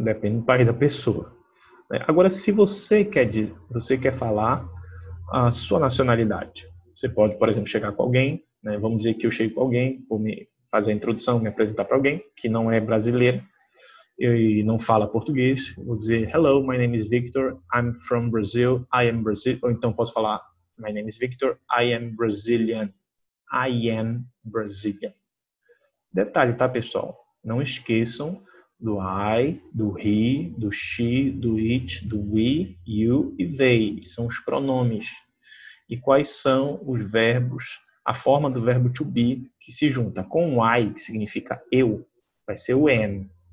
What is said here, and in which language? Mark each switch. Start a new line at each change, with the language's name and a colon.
Portuguese: Depende do país da pessoa. Agora, se você quer falar a sua nacionalidade, você pode, por exemplo, chegar com alguém, né? Vamos dizer que eu chego com alguém, vou me fazer a introdução, me apresentar para alguém que não é brasileiro e não fala português. Vou dizer,
English: hello, my name is Victor, I'm from Brazil, I am Brazil.
Portuguese: Ou então posso falar,
English: my name is Victor, I am Brazilian, I am Brazilian.
Portuguese: Detalhe, tá, pessoal? Não esqueçam do I, do he, do she, do it, do we, you e they. São os pronomes. E quais são os verbos, a forma do verbo to be que se junta com o I, que significa eu, vai ser o am.